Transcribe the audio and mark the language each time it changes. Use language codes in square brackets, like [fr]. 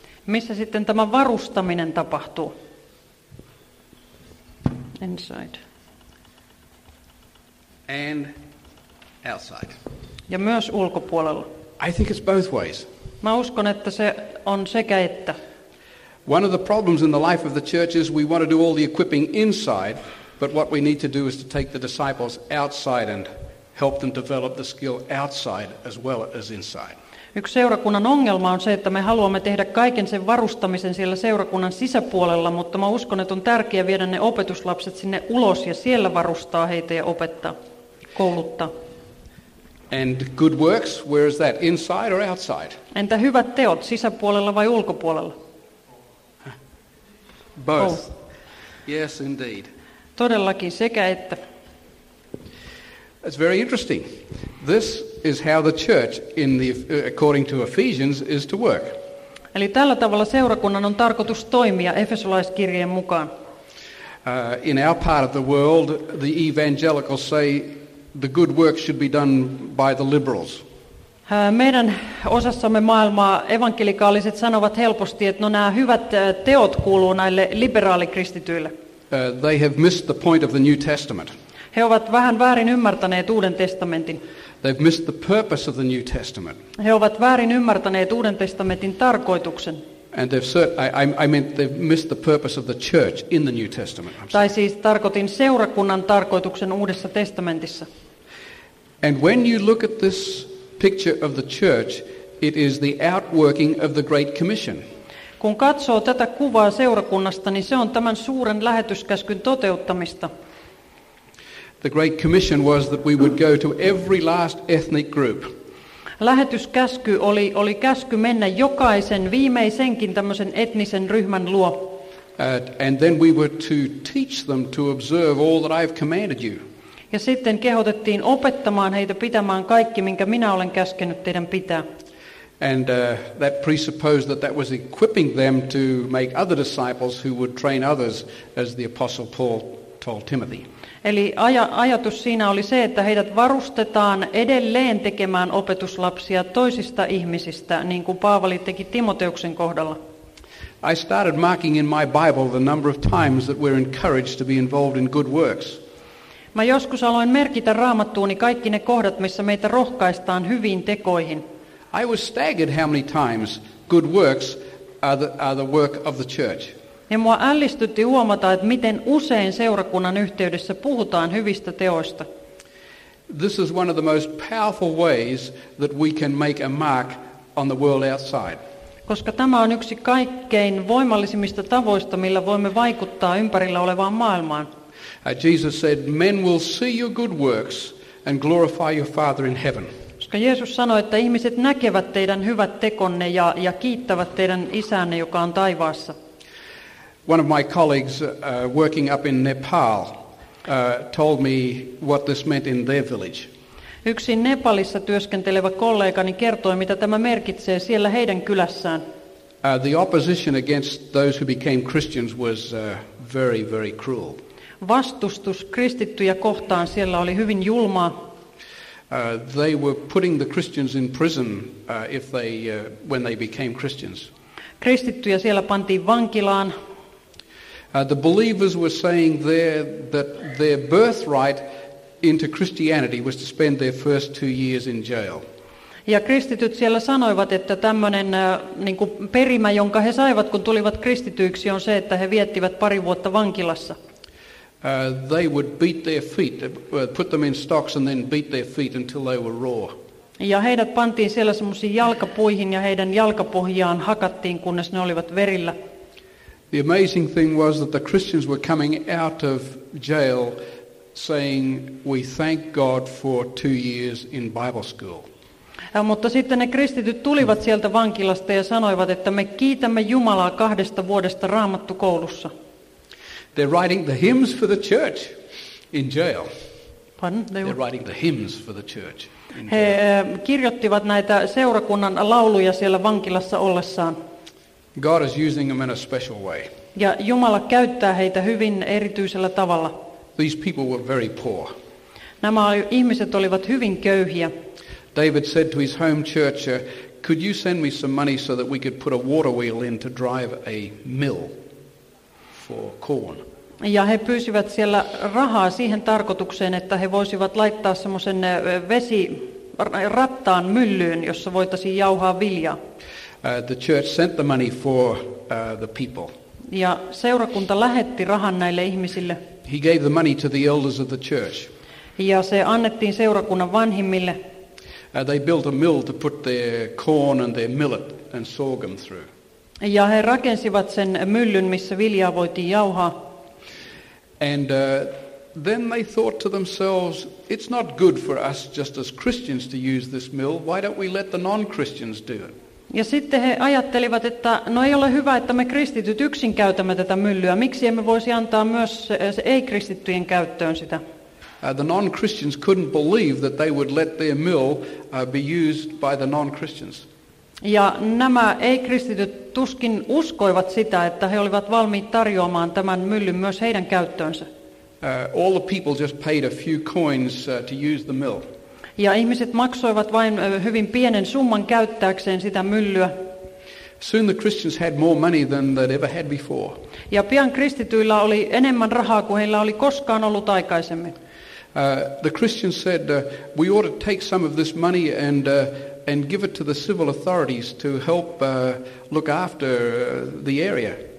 [fi] Missä sitten tämä varustaminen tapahtuu? [en] Inside. And outside. [fi] Ja myös ulkopuolella. [en] I think it's both ways. [fi] Mä uskon, että se on sekä että. [en] One of the problems in the life of the church is we want to do all the equipping inside, but what we need to do is to take the disciples outside and help them develop the skill outside as well as inside. [fi] Yksi seurakunnan ongelma on se, että me haluamme tehdä kaiken sen varustamisen siellä seurakunnan sisäpuolella, mutta mä uskon, että on tärkeää viedä ne opetuslapset sinne ulos ja siellä varustaa heitä ja opettaa, kouluttaa. [en] And good works, where is that? Inside or outside? [fi] Entä hyvät teot, sisäpuolella vai ulkopuolella? [en] Both. Oh. Yes, indeed. [fi] Todellakin sekä että. [en] It's very interesting. This is how the church, in the, according to Ephesians, is to work. [fi] Eli tällä tavalla seurakunnan on tarkoitus toimia Efesolaiskirjeen mukaan. [en] In our part of the world, the evangelicals say the good work should be done by the liberals. [fi] Meidän osassamme maailmaa evankelikaaliset sanovat helposti, että no nämä hyvät teot kuuluu näille liberaalikristityille. [en] They have missed the point of the New Testament. [fi] He ovat vähän väärin ymmärtäneet Uuden testamentin. [en] They've missed the purpose of the New Testament. [fi] He ovat väärin ymmärtäneet Uuden testamentin tarkoituksen. [en] And they've missed the purpose of the church in the New Testament. [fi] Tai siis tarkoitin seurakunnan tarkoituksen Uudessa testamentissa. [en] And when you look at this picture of the church, it is the outworking of the Great Commission. [fi] Kun katsoo tätä kuvaa seurakunnasta, niin se on tämän suuren lähetyskäskyn toteuttamista. [en] The Great Commission was that we would go to every last ethnic group. [fi] Lähetyskäsky oli käsky mennä jokaisen viimeisenkin tämmöisen etnisen ryhmän luo. [en] And then we were to teach them to observe all that I have commanded you. [fi] Ja sitten kehotettiin opettamaan heitä pitämään kaikki, minkä minä olen käskenyt teidän pitää. [en] And that presupposed that was equipping them to make other disciples who would train others, as the Apostle Paul told Timothy. [fi] Eli ajatus siinä oli se, että heidät varustetaan edelleen tekemään opetuslapsia toisista ihmisistä, niin kuin Paavali teki Timoteuksen kohdalla. [en] I started marking in my Bible the number of times that we're encouraged to be involved in good works. [fi] Mä joskus aloin merkitä Raamattuuni kaikki ne kohdat, missä meitä rohkaistaan hyviin tekoihin. [en] I was staggered how many times good works are the work of the church. [fi] Ja mua ällistytti huomata, että miten usein seurakunnan yhteydessä puhutaan hyvistä teoista. [en] This is one of the most powerful ways that we can make a mark on the world outside. [fi] Koska tämä on yksi kaikkein voimallisimmista tavoista, millä voimme vaikuttaa ympärillä olevaan maailmaan. [en] Jesus said, men will see your good works and glorify your Father in heaven. [fi] Koska Jeesus sanoi, että ihmiset näkevät teidän hyvät tekonne ja kiittävät teidän isänne, joka on taivaassa. [en] One of my colleagues working up in Nepal told me what this meant in their village. [fi] Yksi Nepalissa työskentelevä kollegani kertoi, mitä tämä merkitsee siellä heidän kylässään. [en] The opposition against those who became Christians was very, very cruel. [fi] Vastustus kristittyjä kohtaan siellä oli hyvin julmaa. [en] They were putting the Christians in prison when they became Christians. [fi] Kristittyjä siellä pantiin vankilaan. [en] The believers were saying there that their birthright into Christianity was to spend their first 2 years in jail. [fi] Ja kristityt siellä sanoivat, että tämmöinen niin kuin perimä, jonka he saivat, kun tulivat kristityiksi, on se, että he viettivät pari vuotta vankilassa. [en] They would beat their feet, put them in stocks and then beat their feet until they were raw. [fi] Ja heidät pantiin siellä semmoisiin jalkapuihin ja heidän jalkapohjaan hakattiin, kunnes ne olivat verillä. [en] The amazing thing was that the Christians were coming out of jail saying, we thank God for 2 years in Bible school. [fi] Mutta sitten ne kristityt tulivat sieltä vankilasta ja sanoivat, että me kiitämme Jumalaa kahdesta vuodesta Raamattukoulussa. [en] They're writing the hymns for the church in jail. Pardon? They're writing the hymns for the church in jail. [fi] He kirjoittivat näitä seurakunnan lauluja siellä vankilassa ollessaan. [en] God is using them in a special way. [fi] Ja Jumala käyttää heitä hyvin erityisellä tavalla. [en] These people were very poor. [fi] Nämä ihmiset olivat hyvin köyhiä. [en] David said to his home church, could you send me some money so that we could put a water wheel in to drive a mill for corn? [fi] Ja he pyysivät siellä rahaa siihen tarkoitukseen, että he voisivat laittaa semmoisen vesirattaan myllyyn, jossa voitaisiin jauhaa viljaa. [en] The church sent the money for the people. [fi] Ja seurakunta lähetti rahan näille ihmisille. [en] He gave the money to the elders of the church. [fi] Ja se annettiin seurakunnan vanhimmille. [en] They built a mill to put their corn and their millet and sorghum through. [fi] Ja he rakensivat sen myllyn, missä viljaa voitiin jauhaa. [en] And Then they thought to themselves, it's not good for us just as Christians to use this mill. Why don't we let the non-Christians do it? [fi] Ja sitten he ajattelivat, että no ei ole hyvä, että me kristityt yksin käytämme tätä myllyä. Miksi emme voisi antaa myös ei-kristittyjen käyttöön sitä? [en] The non-Christians couldn't believe that they would let their mill be used by the non-Christians. [fi] Ja nämä ei-kristityt tuskin uskoivat sitä, että he olivat valmiit tarjoamaan tämän myllyn myös heidän käyttöönsä. [en] All the people just paid a few coins to use the mill. [fi] Ja ihmiset maksoivat vain hyvin pienen summan käyttääkseen sitä myllyä. [en] Soon the Christians had more money than they'd ever had before. [fi] Ja pian kristityillä oli enemmän rahaa kuin heillä oli koskaan ollut aikaisemmin. [en] The Christians said, we ought to take some of this money and give it to the civil authorities to help look after the area.